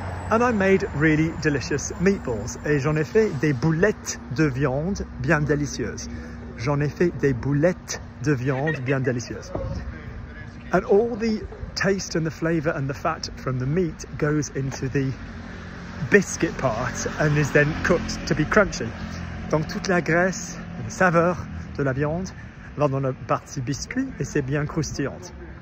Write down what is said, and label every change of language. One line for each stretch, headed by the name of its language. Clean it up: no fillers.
English: And I made really delicious meatballs.
French: Et j'en ai fait des boulettes de viande bien délicieuses. J'en ai fait des boulettes de viande bien délicieuses.
English: And all the taste and the flavor and the fat from the meat goes into the biscuit part and is then cooked to be crunchy.
French: Donc toute la graisse, la saveur de la viande va dans la partie biscuit et c'est bien croustillante.